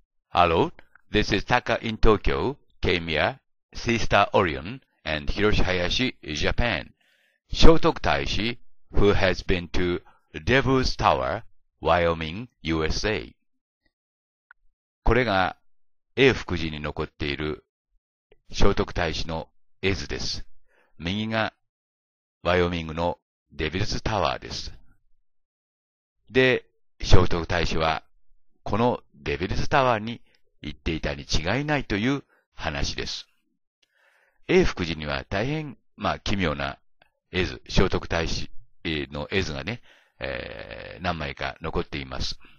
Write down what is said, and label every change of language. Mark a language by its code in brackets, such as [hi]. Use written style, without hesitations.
[en] Hello, this is Taka in Tokyo, Kemia, Sister Orion, and Hiroshi Hayashi, Japan. Shotoku Taishi, who has been to Devil's Tower, Wyoming, USA. [ja] これが A 福寺に残っている Shotoku Taishi の絵図です。右が Wyoming の Devil's Tower です。で、Shotoku Taishi はこのデビルズタワーに行っていたに違いないという話です。永福寺には大変、まあ、奇妙な絵図、聖徳太子の絵図がね、何枚か残っています。